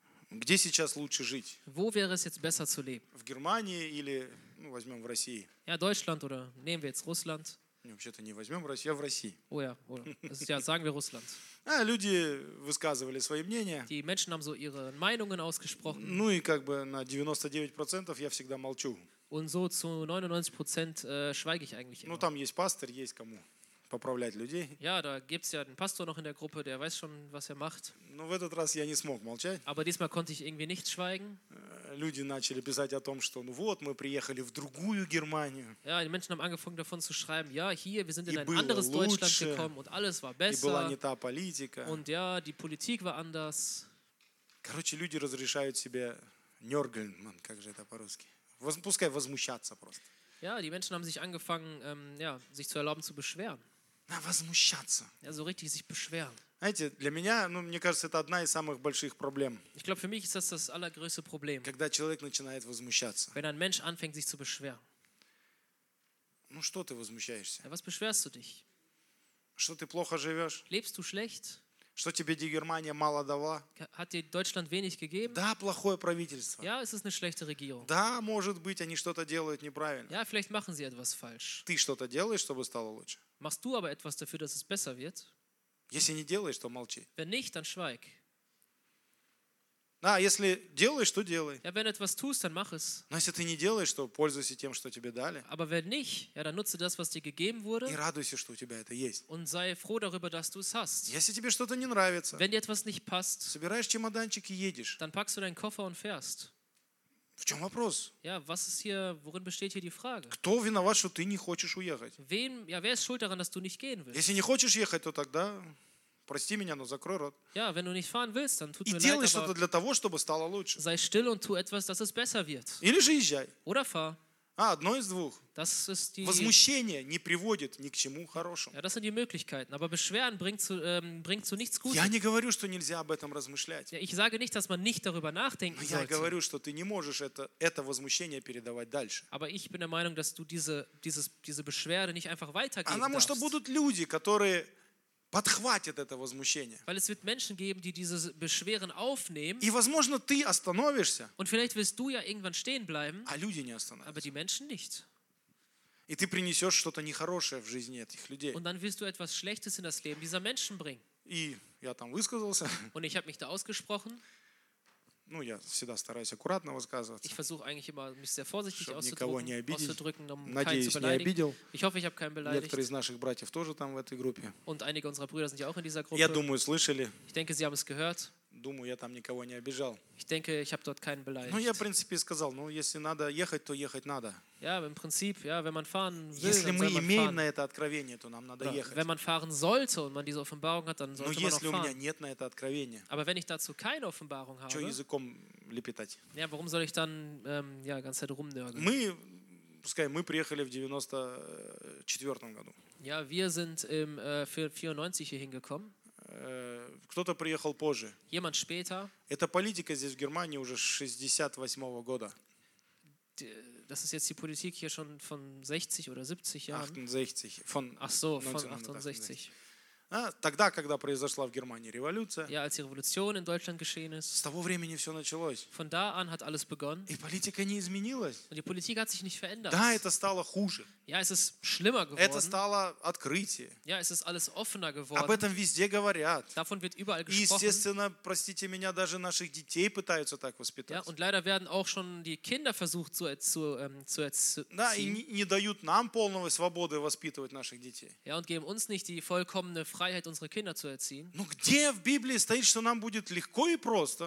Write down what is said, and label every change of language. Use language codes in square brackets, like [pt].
[de] Wo wäre es jetzt besser zu leben? [ru] В Германии или, ну, возьмем, в России. [de] Ja, Deutschland oder nehmen wir jetzt Russland. [ru] Не, вообще-то не возьмем Россию, а в России. [de] Oh, ja, oder, ja, sagen wir Russland. [ru] А, люди высказывали свои мнения. [de] Die Menschen haben so ihre Meinungen ausgesprochen. [ru] Ну и как бы на 99% я всегда молчу. [de] Und so zu 99% schweige ich eigentlich immer. [ru] Ну там есть пастор, есть кому поправлять людей. [de] Ja, da gibt's ja den Pastor noch in der Gruppe, der weiß schon, was er macht. [ru] Но в этот раз я не смог молчать. [de] Aber diesmal konnte ich irgendwie nicht schweigen. [ru] Люди начали писать о том, что, ну вот, мы приехали в другую Германию. [de] Ja, die Menschen haben angefangen davon zu schreiben, ja, hier, wir sind in ein anderes Deutschland gekommen und alles war besser. [ru] И была не та политика. [de] Und ja, die Politik war anders. [ru] Короче, люди разрешают себе нёргельн, man, как же это по-русски? Пускай возмущаться просто. [de] Ja, die Menschen haben sich angefangen, ja, sich zu erlauben zu beschweren. [ru] Na, возмущаться. [de] Ja, so richtig sich beschweren. [ru] Знаете, для меня, ну, мне кажется, это одна из самых больших проблем. [de] Ich glaube, für mich ist das das allergrößte Problem. [ru] Когда человек начинает возмущаться. [de] Wenn ein Mensch anfängt, sich zu beschweren. [ru] Ну, что ты возмущаешься? [de] Ja, was beschwerst du dich? [ru] Что ты плохо живешь? [de] Lebst du schlecht? [ru] Что тебе die Германия мало дала? [de] Hat dir Deutschland wenig gegeben? [ru] Да, плохое правительство. [de] Ja, es ist eine schlechte Regierung. [ru] Да, может быть, они что-то делают неправильно. [de] Ja, vielleicht machen sie etwas falsch. [ru] Ты что-то делаешь, чтобы стало лучше? [de] Machst du aber etwas dafür, dass es besser wird? [ru] Если не делаешь, то молчи. [de] Wenn nicht, dann schweig. [ru] А, если делаешь, то делай. [de] Ja, wenn etwas tust, dann mach es. [ru] Но если ты не делаешь, то пользуйся тем, что тебе дали. [de] Aber wenn nicht, ja, dann nutze das, was dir gegeben wurde. [ru] И радуйся, что у тебя это есть. [de] Und sei froh darüber, dass du es hast. [ru] Если тебе что-то не нравится, [de] wenn dir etwas nicht passt, [ru] собираешь чемоданчик и едешь. [de] Dann packst du deinen Koffer und fährst. [ru] В чем вопрос? [de] Ja, was ist hier, worin besteht hier die Frage? [ru] Кто виноват, что ты не хочешь уехать? [de] Wem, ja, wer ist schuld daran, dass du nicht gehen willst? [ru] Если не хочешь ехать, то тогда прости меня, но закрой рот. [de] Ja, wenn du nicht fahren willst, dann tut [ru] и [de] mir [ru] делай [de] leid, [ru] что-то для того, чтобы стало лучше. [de] Sei still und tu etwas, dass es besser wird. [ru] Или же езжай. [de] Oder fahr. [ru] А, одно из двух. [de] Das ist die... [ru] Возмущение не приводит ни к чему хорошему. [de] Ja, das sind die Möglichkeiten, aber Beschweren bringt zu nichts Gutes. [ru] Я не говорю, что нельзя об этом размышлять. [de] Ja, ich sage nicht, dass man nicht darüber nachdenken [ru] но [de] sollte. [ru] Я говорю, что ты не можешь это возмущение передавать дальше. [de] Aber ich bin der Meinung, dass du diese Beschwerde nicht einfach weitergeben darfst. [ru] Потому что будут люди, которые подхватит это возмущение. [de] Weil es wird Menschen geben, die diese Beschweren aufnehmen. [ru] И, возможно, ты остановишься. [de] Und vielleicht willst du ja irgendwann stehen bleiben. [ru] А люди не остановятся. [de] Aber die Menschen nicht. [ru] И ты принесешь что-то нехорошее в жизни этих людей. [de] Und dann willst du etwas Schlechtes in das Leben dieser Menschen bringen. [ru] И я там высказался. [de] Und ich habe mich da ausgesprochen. [ru] Ну, я всегда стараюсь аккуратно высказываться. [de] Ich versuche eigentlich immer, mich sehr vorsichtig auszudrücken, um [ru] надеюсь, [de] keinen zu beleidigen. Ich hoffe, ich habe keinen beleidigt. [ru] Некоторые из наших братьев тоже там в этой группе. [de] Und einige unserer Brüder sind ja auch in dieser Gruppe. [ru] Я думаю, слышали. [de] Ich denke, sie haben es gehört. [ru] Думаю, я там никого не обижал. [de] Ich denke, ich habe dort keinen beleidigt. [ru] Ну, я, в принципе, сказал, ну, если надо ехать, то ехать надо. [de] Ja, im Prinzip, ja, wenn man fahren will, [ru] если [de] dann [ru] мы [de] soll [ru] имеем [de] fahren. [ru] На это откровение, то нам надо [de] ja, [ru] ехать. [de] Wenn man fahren sollte und man diese Offenbarung hat, dann sollte [ru] но [de] man auch fahren. [ru] Но если у меня нет на это откровения. [de] Aber wenn ich dazu keine Offenbarung habe. [ru] Что языком лепетать? [de] Ja, warum soll ich dann ja, ganze Zeit rumnörgeln? [ru] Мы, пускай, мы приехали в 94 году. [de] Ja, wir sind im 94 hier hingekommen. [ru] Кто-то приехал позже. [de] Jemand später. [ru] Это политика здесь в Германии уже 68 года. [de] Das ist jetzt die Politik hier schon von 60 oder 70 Jahren. 68. Von ach so, von 68. [ru] А, тогда, когда произошла в Германии революция. [de] Ja, als die Revolution in Deutschland geschehen ist. [ru] С того времени все началось. [de] Von da an hat alles begonnen. [ru] И политика не изменилась. [de] Und die Politik hat sich nicht verändert. [ru] Да, это стало хуже. [de] Ja, es ist schlimmer geworden. [ru] Это стало открытие. [de] Ja, es ist alles offener geworden. [ru] Об этом везде говорят. [de] Davon wird überall gesprochen. [ru] И, естественно, простите меня, даже наших детей пытаются так воспитать. [de] Ja, und leider werden auch schon die Kinder versucht zu erziehen. [ru] Да, и не дают нам полной свободы воспитывать наших детей. [de] Ja, und geben uns nicht die vollkommene Freiheit. Freiheit, unsere Kinder zu erziehen. [ru] Но где в Библии стоит, что нам будет легко и просто?